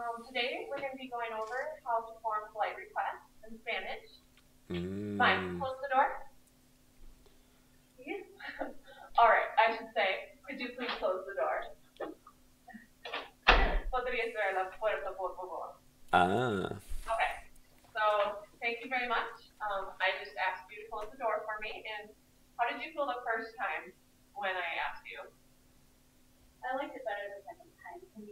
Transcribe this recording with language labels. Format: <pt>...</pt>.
<en>Today we're going to be going over how to form polite requests in Spanish. Fine, close the door. Yeah. All right, I should say, could you please close the door?</en> <es>Podría cerrar la puerta, por favor. Ah.</es> <en>Okay. So thank you very much. I just asked you to close the door for me. And how did you feel the first time when I asked you? I liked it better the second time.</en>